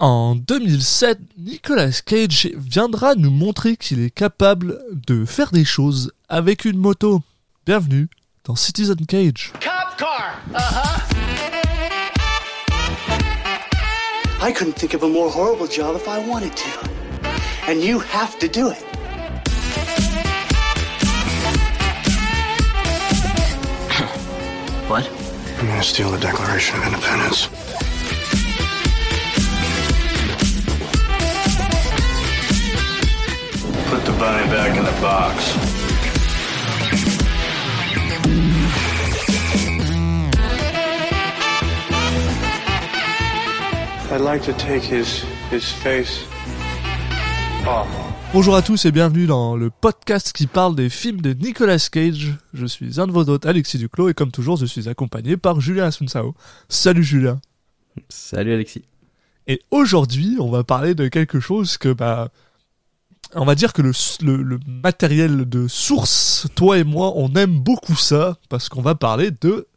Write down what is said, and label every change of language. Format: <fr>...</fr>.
<fr>En 2007, Nicolas Cage viendra nous montrer qu'il est capable de faire des choses avec une moto. Bienvenue dans Citizen Cage.</fr> <en>Cop car. I couldn't think of a more horrible job if I wanted to. And you have to do it. What? I'm gonna steal the Declaration of Independence. Put the bunny back in the box. I'd like to take his face off.</en> <fr>Bonjour à tous et bienvenue dans le podcast qui parle des films de Nicolas Cage. Je suis un de vos hôtes, Alexis Duclos, et comme toujours, je suis accompagné par Julien Asuncao. Salut Julien. Salut Alexis. Et aujourd'hui, on va parler de quelque chose que, on va dire que le matériel de source, toi et moi, on aime beaucoup ça, parce qu'on va parler de...</fr>